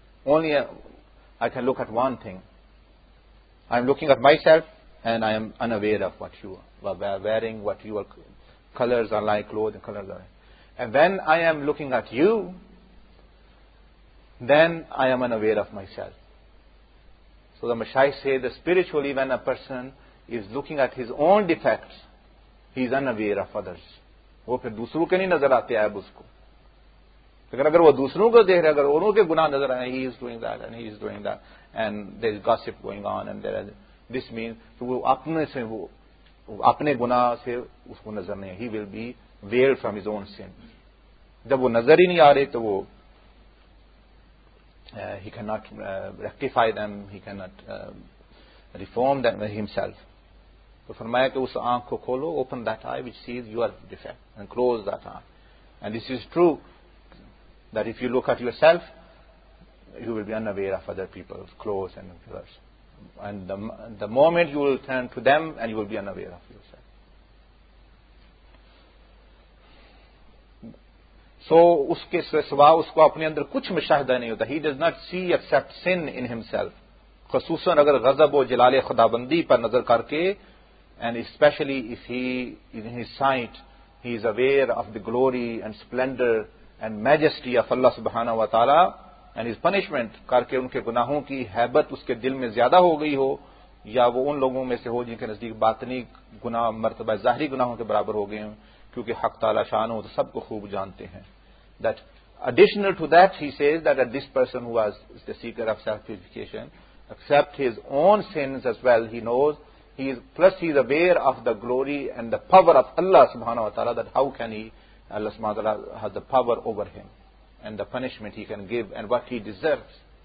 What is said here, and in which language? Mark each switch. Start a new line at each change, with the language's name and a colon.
English: Only I can look at one thing. I am looking at myself and I am unaware of what you are wearing, what your colors are like, clothes and colors are like. And when I am looking at you, then I am unaware of myself. So the Mashayikh say the spiritually when a person is looking at his own defects, he is unaware of others.
Urdu: وہ پھر دوسروں کے نہیں نظر آتے آئے اس کو. لیکن اگر وہ دوسروں کو دیکھ رہے اگر انہوں کے گناہ نظر آئے,
English: he is doing that and he is doing that and there is gossip going on and there is this means,
Urdu: تو وہ اپنے سے وہ اپنے گناہ سے اس کو نظر نہیں,
English: he will be veiled from his own sin.
Urdu: جب وہ نظر ہی نہیں آ رہے تو وہ
English: he cannot rectify them, he cannot reform them himself.
Urdu: تو فرمایا کہ اس آنکھ کو کھولو,
English: open that eye which sees your defect and close that eye. And this is true that if you look at yourself you will be unaware of other people's clothes and others. And the moment you will turn to them and you will be unaware of yourself.
Urdu: So اس کے سوا اس کو اپنے اندر کچھ مشاہدہ نہیں ہوتا.
English: He does not see except sin in himself.
Urdu: خصوصاً اگر غضب و جلال خداوندی پر نظر کر کے,
English: and especially if he is in his sight, he is aware of the glory and splendor and majesty of Allah subhanahu wa ta'ala and his punishment,
Urdu: کر کے ان کے گناہوں کی حیبت اس کے دل میں زیادہ ہو گئی ہو, یا وہ ان لوگوں میں سے ہو جن کے نزدیک باطنی گناہ مرتبہ ظاہری گناہوں کے برابر ہو گئے ہوں, کیونکہ حق تعالی شان ہو تو سب کو خوب جانتے ہیں.
English: That additional to that he says that this person who is the seeker of self-purification except his own sins as well, he knows, he is plus he is aware of the glory and the power of Allah subhanahu wa ta'ala, that how can he, Allah subhanahu wa ta'ala has the power over him and the punishment he can give and what he deserves.